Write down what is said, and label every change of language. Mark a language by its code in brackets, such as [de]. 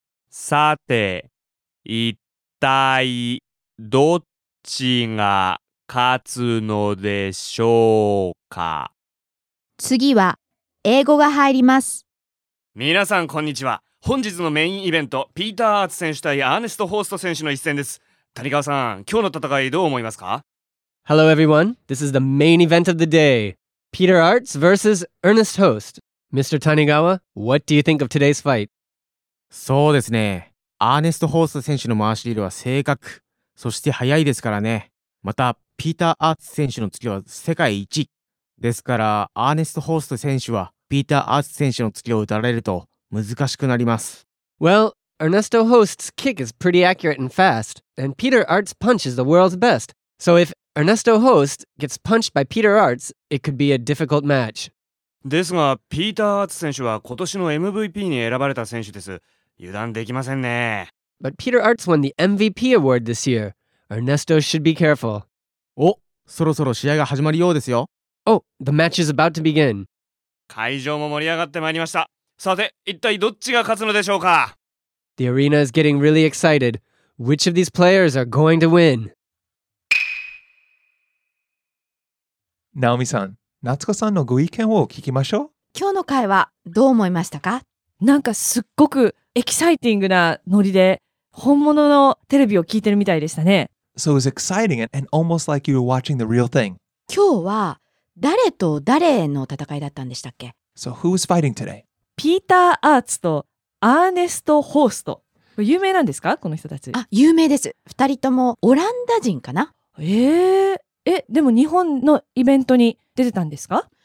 [ja] さて、一体どっちが勝つのでしょうか。次は英語が入ります。皆さんこんにちは。本日のメインイベント、ピーター・アーツ選手対アーネスト・ホースト選手の一戦です。谷川さん、今日の戦いどう思いますか？ [en] Hello everyone, this is the main event of the day. Peter Arts versus Ernest Host. Mr. Tanigawa, what do you think of today's fight? [ja] そうですね。アーネスト・ホースト選手の回し入れは正確、そして速いですからね。また、ピーター・アーツ選手の突きは世界一。ですから、アーネスト・ホースト選手は、ピーター・アーツ選手の突きを打たれると、難しくなります。 [en] Well, Ernesto Host's kick is pretty accurate and fast, and Peter Arts' punch is the world's best. So if Ernesto Host gets punched by Peter Arts, it could be a difficult match. [ja] ですが、ピーター・アーツ選手は今年の MVP に選ばれた選手です。油断できませんね。 [en] But Peter Arts won the MVP award this year. Ernesto should be careful. [ja] お、そろそろ試合が始まるようですよ。 [en] Oh, the match is about to begin. [ja] 会場も盛り上がってまいりました。さて、一体どっちが勝つのでしょうか? [en] The arena is getting really excited. Which of these players are going to win? [ja] Naomi-san, Natsuko-san のご意見を聞きましょう。今日の会話、どう思いましたか? なんかすっごくエキサイティングなノリで、本物のテレビを聞いてるみたいでしたね。 [en] So it's exciting and almost like you're watching the real thing. [ja] 今日は誰と誰の戦いだったんでしたっけ? [en] So who's fighting today? [ja] ピーター・アーツとアーネスト・ホースト。有名なんですかこの人たち。あ、有名です。二人ともオランダ人かな。でも日本のイベントに出てたんですか。